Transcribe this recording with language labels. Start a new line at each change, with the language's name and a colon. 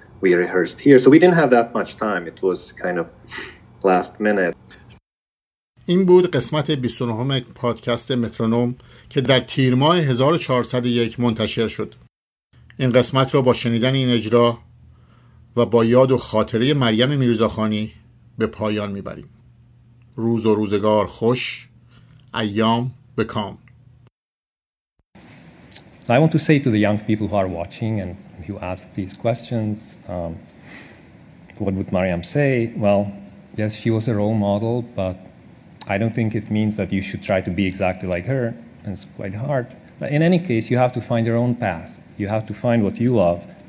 English: We rehearsed here, so we didn't have that much time. It was kind of last minute.
Persian: این بود قسمت 29 پادکست مترونوم که در تیر ماه 1401 منتشر شد. این قسمت را با شنیدن این اجرا و با یاد و خاطره مریم میرزاخانی به پایان میبریم. روز و روزگار خوش، ایام به کام.
English: I want to say to the young people who are watching and who ask these questions, what would Mariam say? Well, yes, she was a role model, but I don't think it means that you should try to be exactly like her, and it's quite hard. But in any case, you have to find your own path. You have to find what you love.